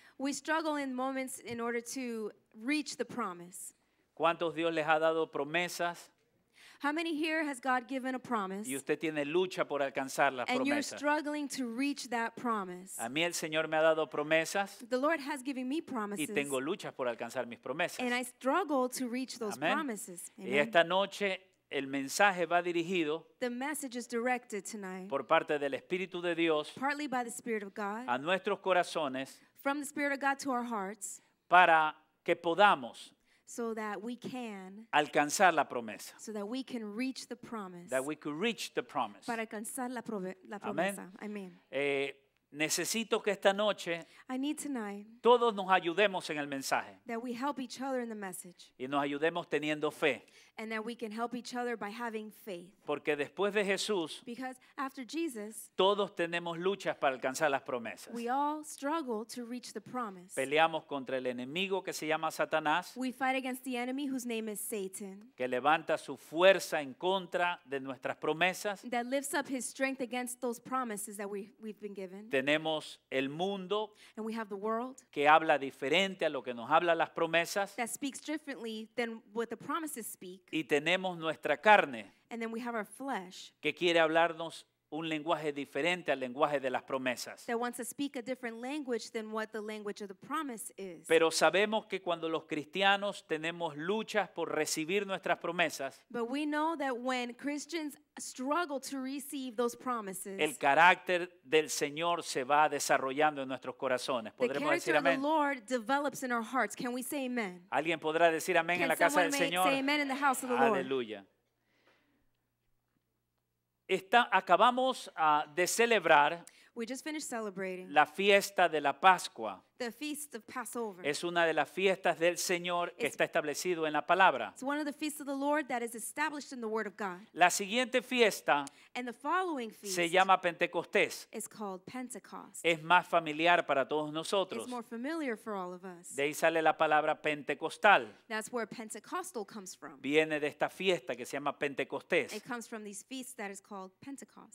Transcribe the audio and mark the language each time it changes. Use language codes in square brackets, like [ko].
[en] We struggle in moments in order to reach the promise. [es] ¿Cuántos Dios les ha dado promesas? [en] How many here has God given a promise? [es] Y usted tiene lucha por alcanzar la [en] and [es] promesa. [en] You're struggling to reach that promise. [es] A mí el Señor me ha dado promesas. [en] The Lord has given me promises. [es] Y tengo luchas por alcanzar mis promesas. [en] And I struggle to reach those [es] Amén. [en] Promises. [es] Amen. Y esta noche el mensaje va dirigido [en] the message is directed tonight [es] por parte del Espíritu de Dios [en] partly by the Spirit of God [es] a nuestros corazones [en] from the Spirit of God to our hearts [es] para que podamos [en] so that we can [es] alcanzar la promesa. [en] So that we can reach the promise. That we could reach the promise. [es] Para alcanzar la promesa. Amén. Necesito que esta noche [en] I need tonight [es] todos nos ayudemos en el mensaje. [en] That we help each other in the message. [es] Y nos ayudemos teniendo fe. [en] And that we can help each other by having faith. [es] Porque después de Jesús [en] because after Jesus [es] todos tenemos luchas para alcanzar las promesas. [en] We all struggle to reach the promise. [es] Peleamos contra el enemigo que se llama Satanás. [en] We fight against the enemy whose name is Satan. [es] Que levanta su fuerza en contra de nuestras promesas. [en] That lifts up his strength against those promises that we've been given. [es] Tenemos el mundo [en] and we have the world [es] que habla diferente a lo que nos habla las promesas. [en] That speaks differently than what the promises speak. [es] Y tenemos nuestra carne [en] and then we have our flesh, [es] que quiere hablarnos un lenguaje diferente al lenguaje de las promesas. [en] That wants to speak a different language than what the language of the promise is. [es] Pero sabemos que cuando los cristianos tenemos luchas por recibir nuestras promesas, [en] but we know that when Christians struggle to receive those promises, [es] el carácter del Señor se va desarrollando en nuestros corazones. ¿Podremos decir amén? [en] The character of the Lord develops in our hearts. Can we say amen? [es] ¿Alguien podrá decir amén en la casa del Señor? [en] Can someone say amen in the house of the Lord? [es] Aleluya. Acabamos de celebrar [en] we just finished celebrating [es] la fiesta de la Pascua. [en] The feast of Passover. [es] Es una de las fiestas del Señor que está establecido en la palabra. [en] It's one of the feasts of the Lord that is established in the Word of God. [es] La siguiente fiesta [en] and the following feast [es] se llama Pentecostés. [en] It's called Pentecost. [es] Es más familiar para todos nosotros. [en] It's more familiar for all of us. [es] De ahí sale la palabra pentecostal. [en] That's where Pentecostal comes from. [es] Viene de esta fiesta que se llama Pentecostés. [en] It comes from these feasts that is called Pentecost.